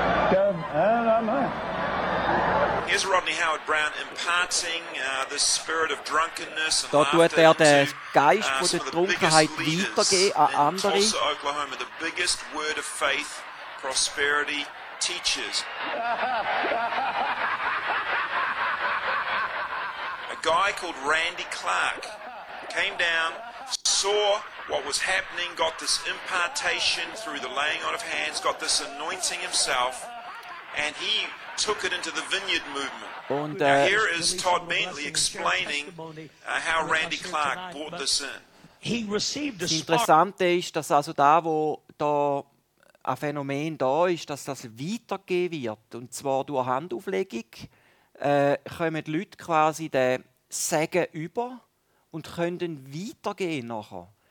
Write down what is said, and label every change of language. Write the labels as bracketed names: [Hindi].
[English] Here's Rodney Howard Brown imparting the spirit of drunkenness and laughter. [German] Da tut er den Geist von der Trunkenheit weitergeben an andere. [English] Tulsa, Oklahoma, the biggest word of faith, prosperity teachers. A guy called Randy Clark came down, saw what was happening, got this impartation through the laying on of hands, got this anointing himself, and he took it into the vineyard movement. [German] Und, [English] now here is Todd Bentley explaining how Randy Clark brought this in. He received a spark. [German] Interessante ist, dass also da, wo da ein Phänomen da ist, dass das weitergegeben wird, und zwar durch Handauflegung, kommen die Leute quasi den Segen über und können dann weitergehen nachher.